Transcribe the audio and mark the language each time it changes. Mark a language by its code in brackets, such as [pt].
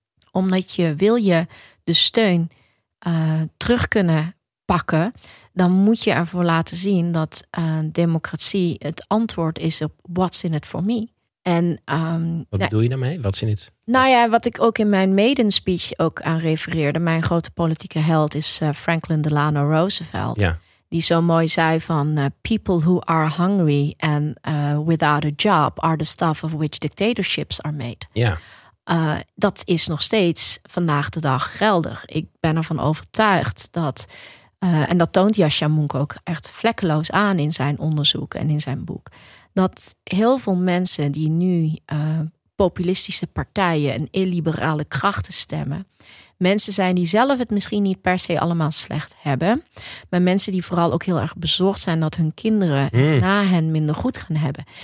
[nl] Omdat je wil je de steun terug kunnen pakken, dan moet je ervoor laten zien dat democratie het antwoord is op [en] what's in it for me. [nl] En wat bedoel je daarmee? [en] What's in it? [nl] Nou ja, wat ik ook in mijn maiden speech ook aan refereerde, mijn grote politieke held is Franklin Delano Roosevelt. Ja. Die zo mooi zei van [en] people who are hungry and without a job are the stuff of which dictatorships are made. [nl] Ja. Dat is nog steeds vandaag de dag geldig. Ik ben ervan overtuigd dat en dat toont Jascha Munk ook echt vlekkeloos aan in zijn onderzoek en in zijn boek, dat heel veel mensen die nu populistische partijen en illiberale krachten stemmen, mensen zijn die zelf het misschien niet per se allemaal slecht hebben, maar mensen die vooral ook heel erg bezorgd zijn dat hun kinderen na hen minder goed gaan hebben.